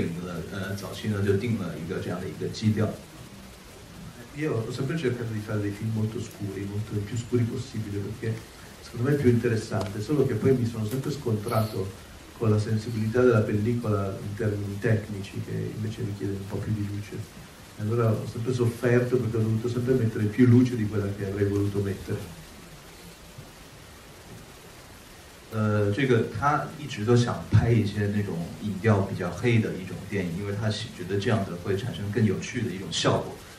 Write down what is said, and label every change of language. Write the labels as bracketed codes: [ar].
[zh] 他们在这个电影拍摄之前，他们跟那个安德烈奥提进行了一次采访。那个时候安德烈奥提还没有去世，那这个他的就是说外面全部都是非常的这个大太阳的一个天气，但是安德烈奥提的这个房间是黑暗的，所以说这个给他们的摄影的早期呢就定了一个这样的一个基调。 [it] Io ho sempre cercato di fare dei film molto scuri, molto il più scuri possibile, perché secondo me è più interessante, solo che poi mi sono sempre scontrato con la sensibilità della pellicola in termini tecnici, che invece richiede un po' più di luce. E allora ho sempre sofferto perché ho dovuto sempre mettere più luce di quella che avrei voluto mettere. [zh] 这个他一直都想拍一些那种影调比较黑的一种电影，因为他觉得这样的会产生更有趣的一种效果。